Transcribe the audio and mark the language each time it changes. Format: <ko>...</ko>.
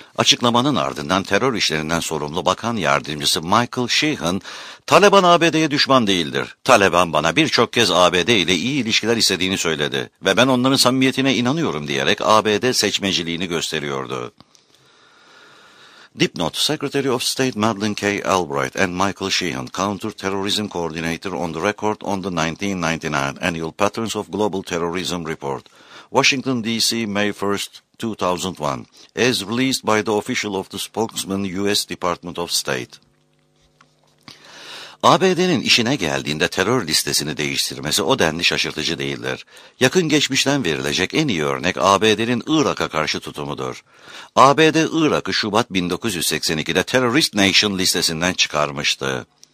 <tr>Açıklamanın ardından terör işlerinden sorumlu bakan yardımcısı Michael Sheehan, "Taliban ABD'ye düşman değildir. Taliban bana birçok kez ABD ile iyi ilişkiler istediğini söyledi ve ben onların samimiyetine inanıyorum" diyerek ABD seçmeciliğini gösteriyordu.</tr> <en>Dipnot, Secretary of State Madeleine K. Albright and Michael Sheehan, Counter-Terrorism Coordinator on the Record on the 1999 Annual Patterns of Global Terrorism Report, Washington, D.C., May 1, 2001, as released by the official of the spokesman, U.S. Department of State.</en> <tr>ABD'nin işine geldiğinde terör listesini değiştirmesi o denli şaşırtıcı değildir. Yakın geçmişten verilecek en iyi örnek ABD'nin Irak'a karşı tutumudur. ABD, Irak'ı Şubat 1982'de Terrorist Nation listesinden çıkarmıştı.</tr>